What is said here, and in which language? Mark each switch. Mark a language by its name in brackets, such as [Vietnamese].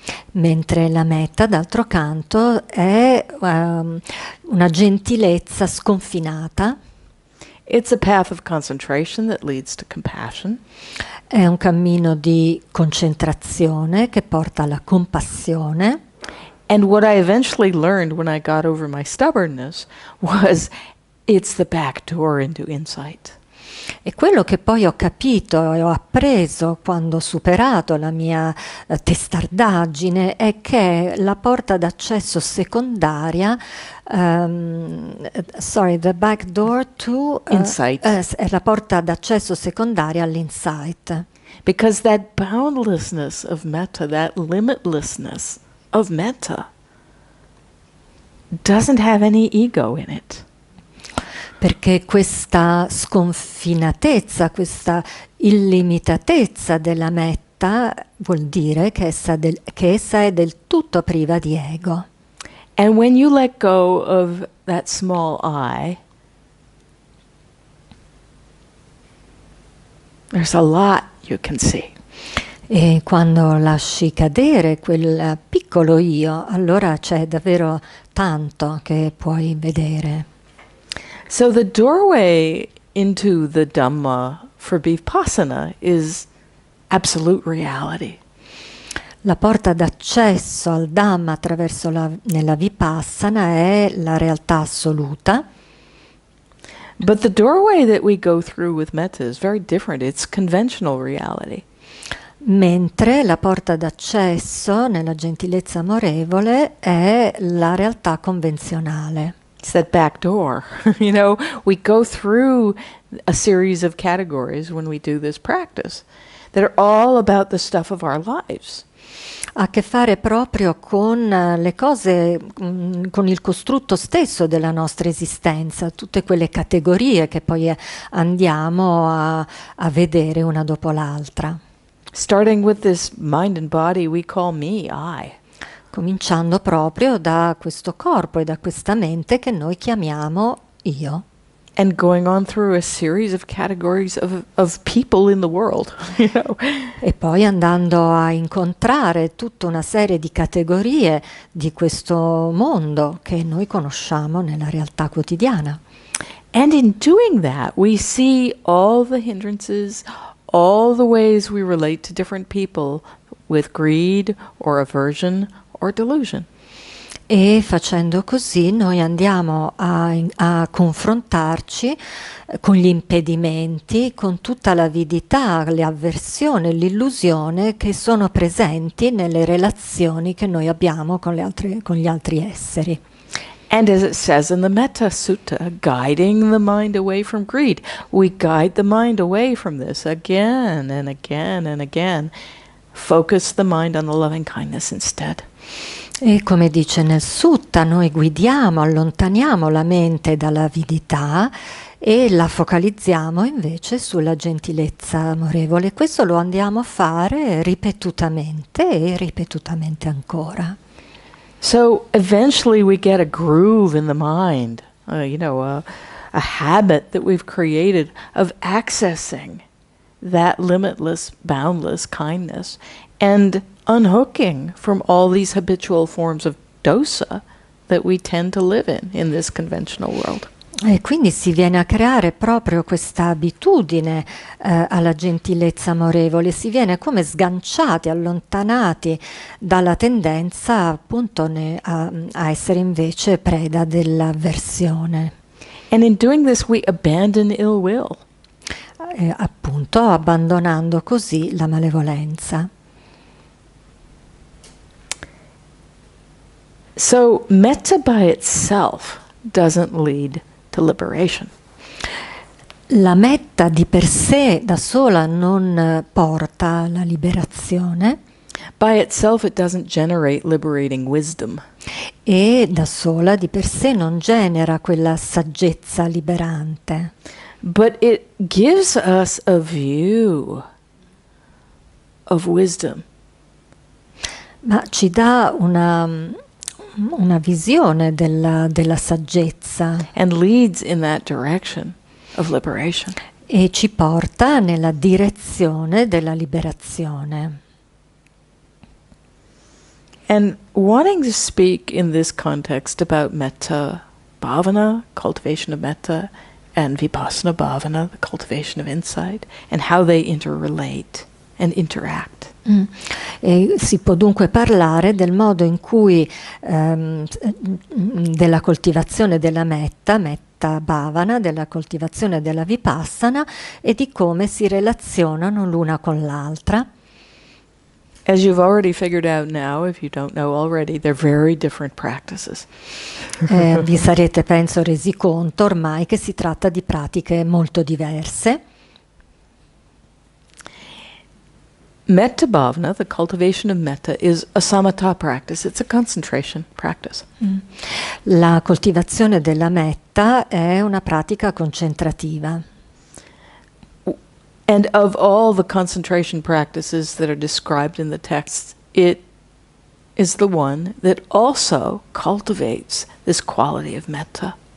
[Italian] Mentre la metta, d'altro canto, è una gentilezza sconfinata. [English] It's a path of concentration that leads to compassion. [Italian] È un cammino di concentrazione che porta alla compassione. [English] And what I eventually learned when I got over my stubbornness was it's the back door into insight. [Italian] E quello che poi ho capito e ho appreso quando ho superato la mia testardaggine è che la porta d'accesso secondaria, [English] the back door to insight, [Italian] è la porta d'accesso secondaria all'insight. [English] Because that boundlessness of metta, that limitlessness of metta, doesn't have any ego in it. [Italian] Perché questa sconfinatezza, questa illimitatezza della metta vuol dire che essa è del tutto priva di ego. [English] And when you let go of that small I, there's a lot you can see. [Italian] E quando lasci cadere quel piccolo io, allora c'è davvero tanto che puoi vedere. [English] So the doorway into the Dhamma for Vipassana is absolute reality. [Italian] La porta d'accesso al Dhamma attraverso nella Vipassana è la realtà assoluta. [English] But the doorway that we go through with metta is very different. It's conventional reality. [Italian] Mentre la porta d'accesso nella gentilezza amorevole è la realtà convenzionale. [English] It's that back door, you know, we go through a series of categories when we do this practice that are all about the stuff of our lives. [Italian] Ha a che fare proprio con le cose, con il costrutto stesso della nostra esistenza, tutte quelle categorie che poi andiamo a vedere una dopo l'altra. [English] Starting with this mind and body we call me, I. [Italian] Cominciando proprio da questo corpo e da questa mente che noi chiamiamo io. [English] And going on through a series of categories of people in the world, you know. [Italian] E poi andando a incontrare tutta una serie di categorie di questo mondo che noi conosciamo nella realtà quotidiana. [English] And in doing that, we see all the hindrances, all the ways we relate to different people with greed or aversion. Or delusion. [Italian] E facendo così noi andiamo a confrontarci con gli impedimenti, con tutta l'avidità, l'avversione, l'illusione che sono presenti nelle relazioni che noi abbiamo con gli altri esseri. [English] And as it says in the Metta Sutta, guiding the mind away from greed, we guide the mind away from this again and again and again. Focus the mind on the loving kindness instead. [Italian] E come dice nel sutta, noi guidiamo, allontaniamo la mente dall'avidità e la focalizziamo invece sulla gentilezza amorevole. Questo lo andiamo a fare ripetutamente e ripetutamente ancora. [English] So eventually we get a groove in the mind, a habit that we've created of accessing that limitless, boundless kindness and unhooking from all these habitual forms of dosa that we tend to live in this conventional world. [Italian] E quindi si viene a creare proprio questa abitudine alla gentilezza amorevole, si viene come sganciati, allontanati dalla tendenza appunto a essere invece preda dell'avversione. [English] And in doing this we abandon ill will. [Italian] Appunto abbandonando così la malevolenza. [English] So metta by itself doesn't lead to liberation. [Italian] La metta di per sé da sola non porta alla liberazione. [English] By itself it doesn't generate liberating wisdom. [Italian] E da sola di per sé non genera quella saggezza liberante. [English] But it gives us a view of wisdom. [Italian] Ma ci dà una visione della saggezza. [English] And leads in that direction of liberation. [Italian] E ci porta nella direzione della liberazione. [English] And wanting to speak in this context about metta bhavana, cultivation of metta, and vipassana bhavana, the cultivation of insight, and how they interrelate and interact. [Italian] E si può dunque parlare del modo in cui della coltivazione della metta bhavana, della coltivazione della vipassana e di come si relazionano l'una con l'altra. [English] As you've already figured out now, if you don't know already, they're very different practices. [Italian] Vi sarete, penso, resi conto ormai che si tratta di pratiche molto diverse. [English] Metta bhavana, the cultivation of metta, is a samatha practice. It's a concentration practice. [Italian] La coltivazione della metta è una pratica concentrativa. [English] And of all the concentration practices that are described in the texts, it is the one that also cultivates this quality of metta.